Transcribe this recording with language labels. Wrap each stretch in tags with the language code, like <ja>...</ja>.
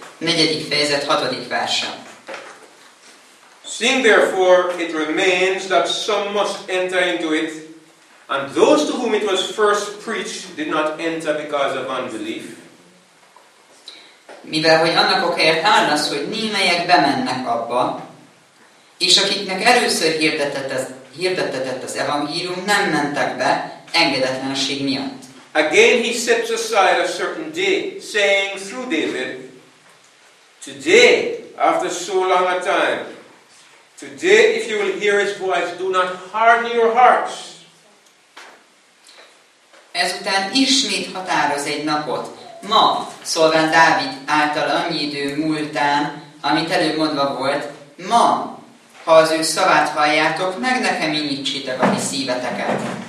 <hu>Negyedik fejezet, hatodik verse.</hu> <en>Seeing therefore it remains that some must enter into it, and those to whom it was first preached did not enter because of unbelief.</en> <hu>Mivel hogy annak okáért áll az, hogy némelyek bemennek abba, és akiknek először hirdetett az evangélium, nem mentek be engedetlenség miatt.</hu> <en>Again he sets aside a certain day, saying through David, today, after so long a time, today if you will hear his voice, do not harden your hearts.</en> <hu>Ezután ismét határoz egy napot. Ma, szólván Dávid által annyi idő múltán, amit előbb mondva volt, ma, ha az ő szavát halljátok, meg nekem inyítsétek a mi szíveteket.</hu>